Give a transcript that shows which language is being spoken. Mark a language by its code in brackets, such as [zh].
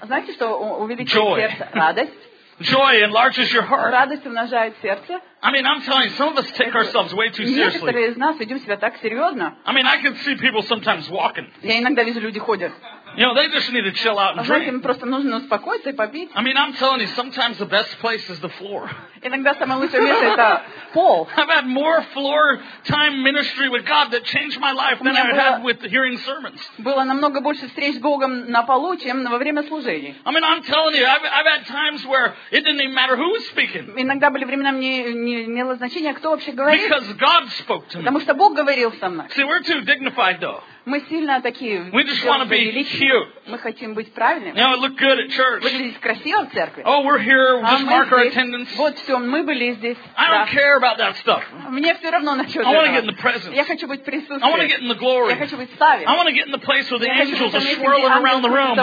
[ru] Знаете, что увеличивает сердце? Радость. [en] Joy enlarges your heart. [ru] Радость умножает сердце. [en] I mean, I'm telling you, some of us take ourselves way too seriously. [ru] Некоторые из нас ведем себя так серьезно. [en] I mean, I can see people sometimes walking. [ru] Я иногда вижу, люди ходят. [en] You know, they just need to chill out and drink. [ru] Знаете, им просто нужно успокоиться и попить. [en] I mean, I'm telling you, sometimes the best place is the floor. [ru] Иногда самое лучшее место это пол. [en] I've had more floor time ministry with God that changed my life than I've had with hearing sermons. [ru] Было намного больше встреч с Богом на полу, чем во время служений. [en] I mean, I'm telling you, I've had times where it didn't even matter who was speaking. [ru] Иногда были времена, мне не имело значения, кто вообще говорит. [en] Because God spoke to me. [ru] Потому что Бог говорил со мной. [en] See, we're too dignified, though. [ru] Мы сильно такие. [en] We just want to be cute. [ru] Мы хотим быть правильными. [en] You know, look good at church. [ru] Выглядеть красиво в церкви. [en] Oh, we're here. We'll just mark our attendance. [ru] Вот все, мы были здесь. [en] I don't care about that stuff. [ru] Мне все равно на что. [en] I want to get in the presence. [ru] Я хочу быть в присутствии. [en] I want to get in the glory. [ru] Я хочу быть в славе. [en] I want to get in the place where the angels are swirling around the room.